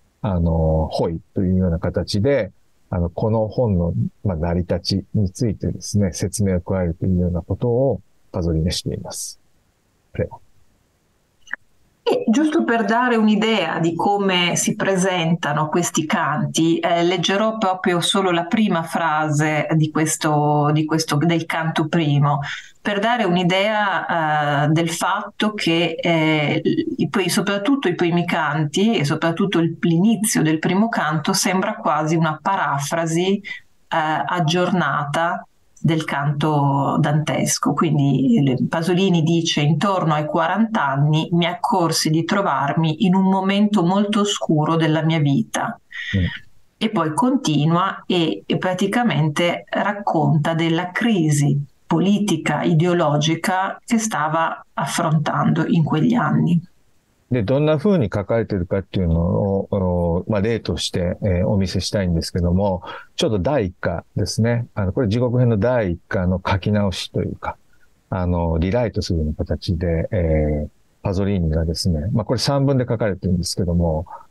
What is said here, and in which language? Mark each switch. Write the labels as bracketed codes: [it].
[ja] ホイというような形で、この本の、成り立ちについてですね、説明を加えるというようなことをパゾリネしています。プレオ。 [it] Giusto per dare un'idea di come si presentano questi canti, leggerò proprio solo la prima frase del canto primo, per dare un'idea, del fatto che, soprattutto i primi canti e soprattutto l'inizio del primo canto sembra quasi una parafrasi, aggiornata del canto dantesco. Quindi Pasolini dice: intorno ai 40 anni mi accorsi di trovarmi in un momento molto oscuro della mia vita. E poi continua e praticamente racconta della crisi politica, ideologica che stava affrontando in quegli anni. [ja] で、どんな風に書かれてるかっていうのを、例として、お見せしたいんですけども、ちょうど第1巻ですね。これ地獄編の第1巻の書き直しというか、リライトするような形で、パゾリーニがですね、これ3文で書かれてるんですけども、